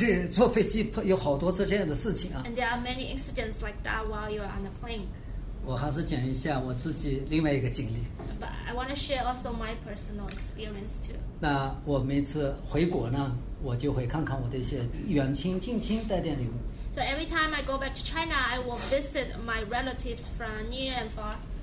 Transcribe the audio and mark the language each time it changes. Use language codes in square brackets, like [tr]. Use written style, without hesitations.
[zh] 坐飞机有好多次这样的事情啊。 [en] And there are many incidents like that while you're on the plane. [zh] 我还是讲一下我自己另外一个经历。 [en] But I want to share also my personal experience too. [zh] 那我每次回国呢，我就会看看我的一些远亲近亲带点礼物。 [en] So every time I go back to China, I will visit my relatives from near and far.